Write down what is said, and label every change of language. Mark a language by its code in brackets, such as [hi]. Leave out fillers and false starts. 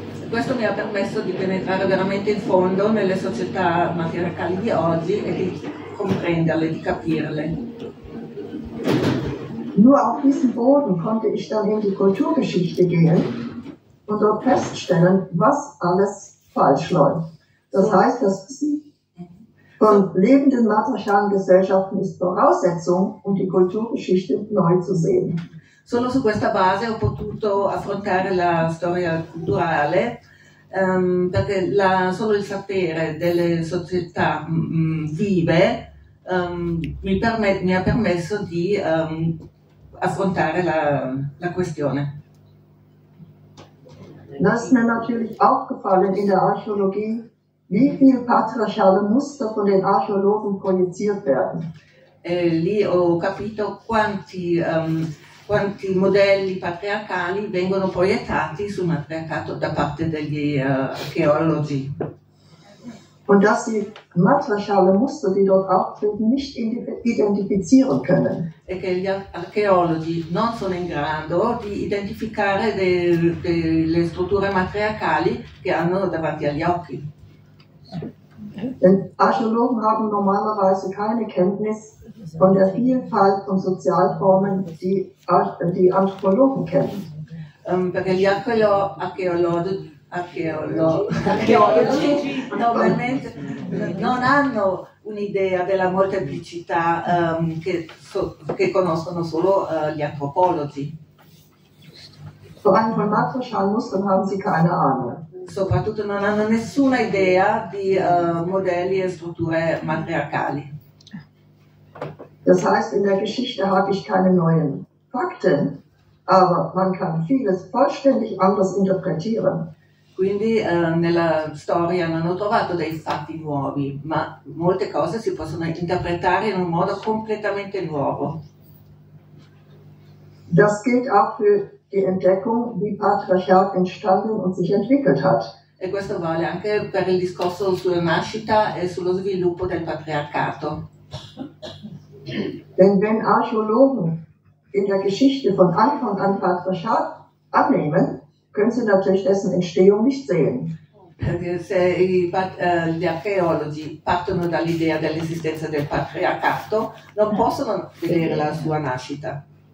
[it] Questo mi ha permesso di penetrare veramente in fondo nelle società matriarcali di oggi e di comprenderle, di capirle. [de] Nur auf diesem Boden konnte ich dann in die Kulturgeschichte gehen und dort feststellen, was alles falsch läuft. Das heißt, das Wissen von lebenden matriarchalen Gesellschaften ist Voraussetzung, um die Kulturgeschichte neu zu sehen. [it] Solo su questa base ho potuto affrontare la storia culturale, perché solo il sapere delle società vive mi ha permesso di affrontare la questione. [de] Das ist mir natürlich aufgefallen in der Archäologie, wie viel patriarchale Muster von den Archäologen projiziert werden. [it] E lì ho capito quanti modelli patriarcali vengono proiettati sul matriarcato da parte degli archeologi. [de] und dass sie materiale Muster, die dort auftreten, nicht identifizieren können. [it] E che gli archeologi non sono in grado di identificare le strutture matriarcali che hanno davanti agli occhi. [de] Denn Archäologen haben normalerweise keine Kenntnis von der Vielfalt von Sozialformen, die Anthropologen kennen. [it] Perché gli archeologi normalmente non hanno un'idea della molteplicità che conoscono solo gli antropologi. [de] Vor allem von matriarchalen Mustern haben sie keine Ahnung. [it] Soprattutto non hanno nessuna idea di modelli e strutture matriarcali. [de] Das heißt, in der Geschichte habe ich keine neuen Fakten, aber man kann vieles vollständig anders interpretieren. [it] Quindi nella storia non ho trovato dei fatti nuovi, ma molte cose si possono interpretare in un modo completamente nuovo. [de] Das gilt auch für die Entdeckung, wie Patriarchat entstanden und sich entwickelt hat. [it] E questo vale anche per il discorso sulla nascita e sullo sviluppo del patriarcato. [de] Denn wenn Archäologen in der Geschichte von Anfang an Patriarchat annehmen, können sie natürlich dessen Entstehung nicht sehen. [it] Perché se gli archeologi partono dall'idea dell'esistenza del patriarcato, non possono vedere la sua nascita.